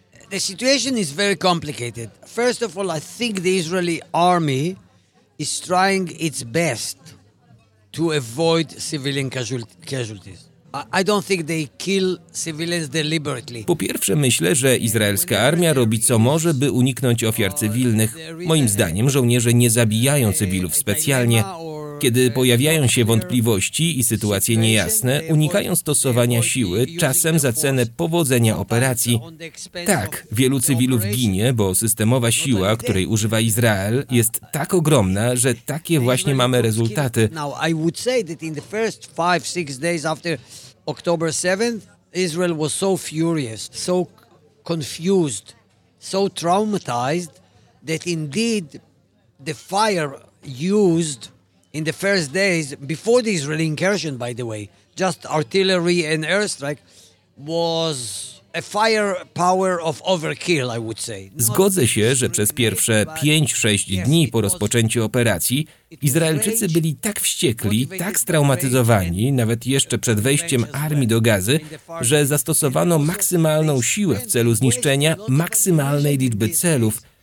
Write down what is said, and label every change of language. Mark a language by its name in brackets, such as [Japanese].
[English] The situation is very complicated. First of all, I think the Israeli army is trying its best to avoid civilian casualties. I don't think they kill civilians deliberately. [Polish] Po pierwsze, myślę, że izraelska armia robi co może, by uniknąć ofiar cywilnych. Moim zdaniem żołnierze nie zabijają cywilów specjalnie. Kiedy pojawiają się wątpliwości i sytuacje niejasne, unikają stosowania siły, czasem za cenę powodzenia operacji. Tak, wielu cywilów ginie, bo systemowa siła, której używa Izrael, jest tak ogromna, że takie właśnie mamy rezultaty. [English] Now I would say that in the first 5-6 days after October 7th, Israel was so furious, so confused, so traumatized that indeed the fire used in the first days, before the Israeli incursion, by the way, just artillery and airstrike, was a firepower of overkill, I would say. [Polish] Zgodzę się, że przez pierwsze 5-6 dni po rozpoczęciu operacji Izraelczycy byli tak wściekli, tak straumatyzowani, nawet jeszcze przed wejściem armii do Gazy, że zastosowano maksymalną siłę w celu zniszczenia maksymalnej liczby celów.